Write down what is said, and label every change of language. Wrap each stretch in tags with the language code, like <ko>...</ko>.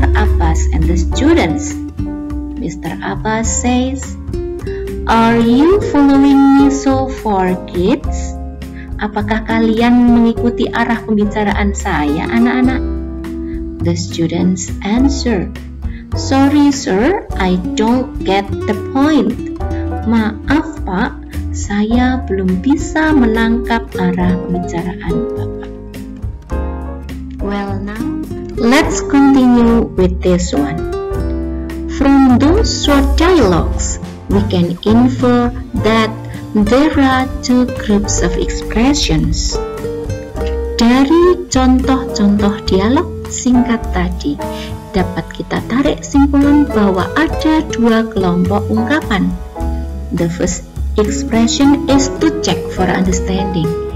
<en>Abbas and the students. Mr. Abbas says, are you following me so far, kids?</en> <id>Apakah kalian mengikuti arah pembicaraan saya, anak-anak?</id> <en>The students answer, sorry, sir, I don't get the point.</en> <id>Maaf, Pak, saya belum bisa menangkap arah pembicaraan Bapak.</id> <en>Well, now, let's continue with this one. From those short dialogues, we can infer that there are two groups of expressions.</en> <id>Dari contoh-contoh dialog singkat tadi, dapat kita tarik simpulan bahwa ada dua kelompok ungkapan.</id> <en>The first expression is to check for understanding.</en>